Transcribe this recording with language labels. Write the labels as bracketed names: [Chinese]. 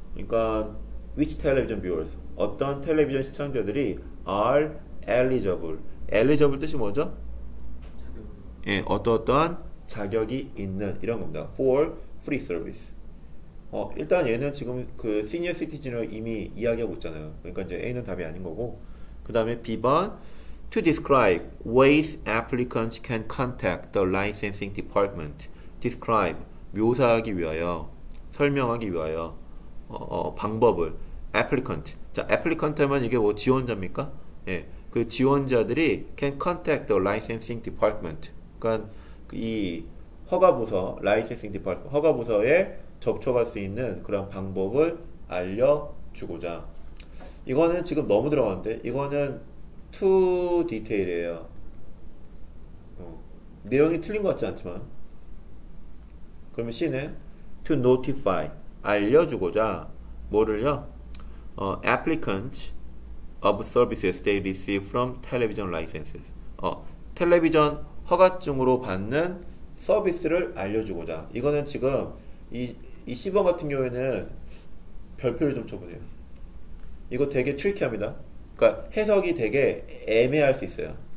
[Korean] 그러니까 [English] which television viewers? [Korean] 어떤 텔레비전 시청자들이 [English] are eligible? [Korean] eligible 뜻이 뭐죠? 예, 어떠어떠한 자격이 있는 이런 겁니다. [English] For free service. [Korean] 일단 얘는 지금 그 senior citizen을 이미 이야기하고 있잖아요. 그러니까 이제 A는 답이 아닌 거고. 그 다음에 B번 [English] To describe ways applicants can contact the licensing department. [Korean] Describe 묘사하기 위하여, 설명하기 위하여 방법을 applicant. 자, applicant 하면 이게 뭐 지원자입니까? 예. 그 지원자들이 [English] can contact the licensing department. [Korean] 그러니까 이 허가부서, licensing department, 허가부서에 접촉할 수 있는 그런 방법을 알려주고자. 이거는 지금 너무 들어갔는데, 이거는 too 디테일이에요. 내용이 틀린 것 같지 않지만. 그러면 C는 [English] to notify, [Korean] 알려주고자. 뭐를요? [English] Applicants of services they receive from television licenses. [Korean] 텔레비전 허가증으로 받는 서비스를 알려주고자. 이거는 지금 이 10번 같은 경우에는 별표를 좀 쳐보세요. 이거 되게 트리키합니다. 그러니까 해석이 되게 애매할 수 있어요.